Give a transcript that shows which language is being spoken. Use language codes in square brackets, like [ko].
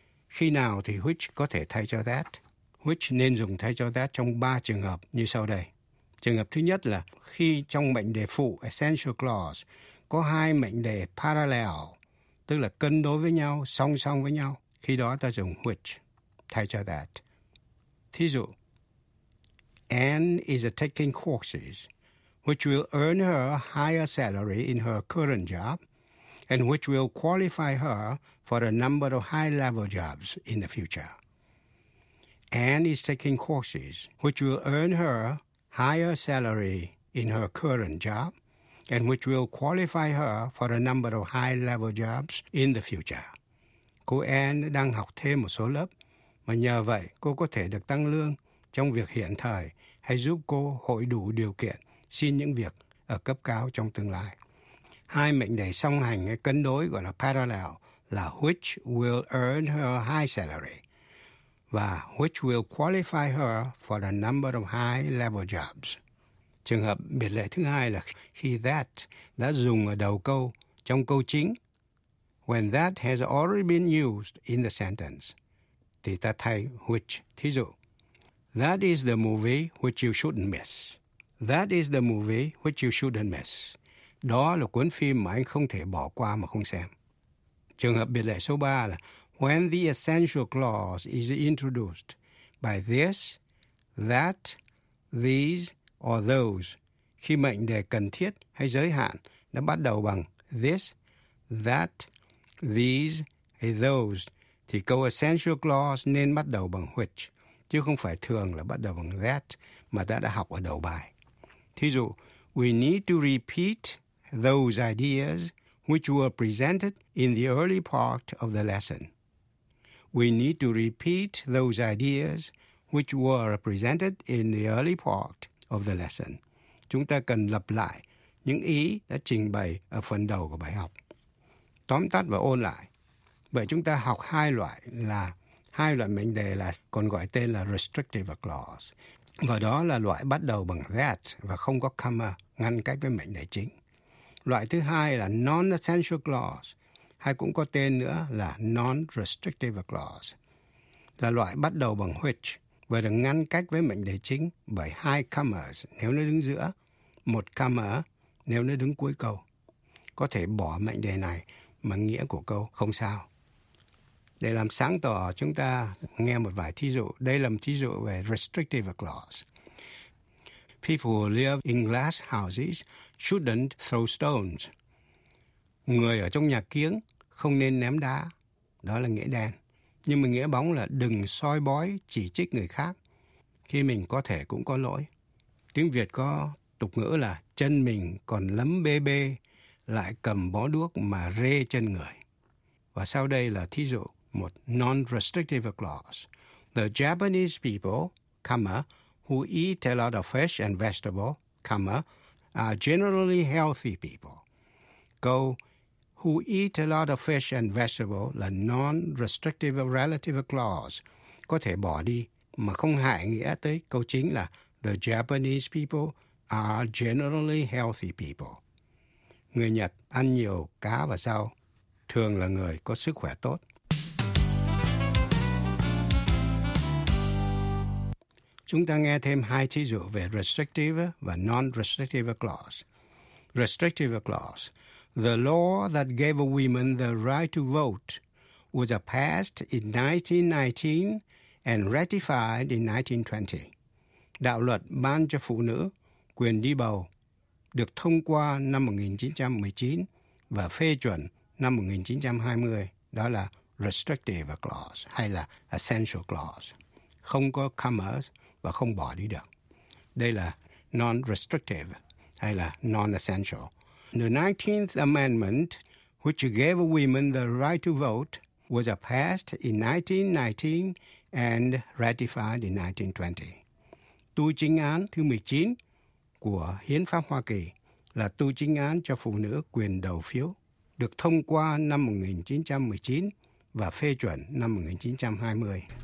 [vi] Khi nào thì which có thể thay cho that? Which nên dùng thay cho that trong 3 trường hợp như sau đây. Trường hợp thứ nhất là khi trong mệnh đề phụ essential clause có 2 mệnh đề parallel, tức là cân đối với nhau, song song với nhau, khi đó ta dùng which thay cho that. [en] Thí dụ, Anne is taking courses which will earn her a higher salary in her current job and which will qualify her for a number of high-level jobs in the future. Anne is taking courses which will earn her higher salary in her current job and which will qualify her for a number of high-level jobs in the future. [vi] Cô Anne đang học thêm một số lớp, mà nhờ vậy cô có thể được tăng lương trong việc hiện thời hay giúp cô hội đủ điều kiện xin những việc ở cấp cao trong tương lai. Hai mệnh đề song hành hay cân đối gọi là parallel là [en] which will earn her high salary và which will qualify her for a number of high-level jobs. [vi] Trường hợp biệt lệ thứ hai là khi that đã dùng ở đầu câu, trong câu chính. [en] When that has already been used in the sentence, [vi] thì ta thay [en] which. Thí dụ, that is the movie which you shouldn't miss. That is the movie which you shouldn't miss. [vi] Đó là cuốn phim mà anh không thể bỏ qua mà không xem. Trường hợp biệt lệ số 3 là [en] when the essential clause is introduced by this, that, these, or those, [vi] khi mệnh đề cần thiết hay giới hạn đã bắt đầu bằng this, that, these, hay those, thì câu essential clause nên bắt đầu bằng which, chứ không phải thường là bắt đầu bằng that, mà ta đã học ở đầu bài. [en] Thí dụ, we need to repeat those ideas which were presented in the early part of the lesson. We need to repeat those ideas which were presented in the early part of the lesson. [vi] Chúng ta cần lặp lại những ý đã trình bày ở phần đầu của bài học. Tóm tắt và ôn lại. Vậy chúng ta học hai loại mệnh đề là còn gọi tên là restrictive clause. Và đó là loại bắt đầu bằng that và không có comma ngăn cách với mệnh đề chính. Loại thứ hai là non-essential clause, hay cũng có tên nữa là non-restrictive clause, là loại bắt đầu bằng which và được ngăn cách với mệnh đề chính bởi hai commas nếu nó đứng giữa, một comma nếu nó đứng cuối câu. Có thể bỏ mệnh đề này mà nghĩa của câu không sao. Để làm sáng tỏ, chúng ta nghe một vài thí dụ. Đây là một thí dụ về restrictive clause. [en] People who live in glass houses shouldn't throw stones. [vi] Người ở trong nhà kiến không nên ném đá. Đó là nghĩa đen. Nhưng mà nghĩa bóng là đừng soi bói chỉ trích người khác khi mình có thể cũng có lỗi. Tiếng Việt có tục ngữ là chân mình còn lấm bê bê, lại cầm bó đuốc mà rê chân người. Và sau đây là thí dụ một non-restrictive clause. [en] The Japanese people, comma, who eat a lot of fish and vegetable, comma, are generally healthy people. Câu who eat a lot of fish and vegetable là non-restrictive relative clause. [vi] Có thể bỏ đi mà không hại nghĩa tới câu chính là [en] the Japanese people are generally healthy people. [vi] Người Nhật ăn nhiều cá và rau, thường là người có sức khỏe tốt. Chúng ta nghe thêm hai thí dụ về restrictive và non-restrictive clause. [en] Restrictive clause. The law that gave women the right to vote was passed in 1919 and ratified in 1920. [vi] Đạo luật ban cho phụ nữ quyền đi bầu được thông qua năm 1919 và phê chuẩn năm 1920. Đó là restrictive clause hay là essential clause. Không có commas và không bỏ đi được. Đây là non-restrictive hay là non-essential. [en] The 19th Amendment, which gave women the right to vote, was passed in 1919 and ratified in 1920. [vi] Tu chính án thứ 19 của Hiến pháp Hoa Kỳ là tu chính án cho phụ nữ quyền đầu phiếu, được thông qua năm 1919 và phê chuẩn năm 1920.